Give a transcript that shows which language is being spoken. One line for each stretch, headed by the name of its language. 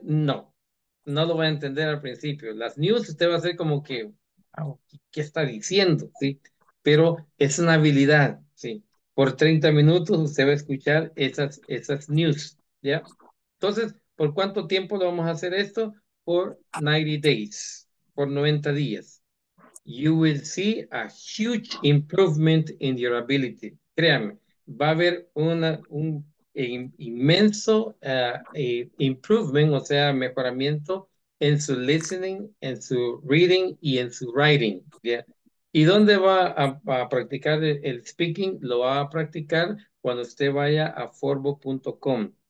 Spanish: No, no lo va a entender al principio. Las news usted va a hacer como que, wow, ¿qué está diciendo? ¿Sí? Pero es una habilidad, ¿sí? Por 30 minutos usted va a escuchar esas news, ¿ya? Entonces, ¿por cuánto tiempo lo vamos a hacer esto? Por
English: 90 days,
Spanish: por 90 días.
English: You will see a huge improvement in your ability.
Spanish: Créame, va a haber un inmenso improvement, o sea, mejoramiento en su listening, en su reading y en su writing, ¿ya? ¿Y dónde va a practicar el speaking? Lo va a practicar cuando usted vaya a forbo.com.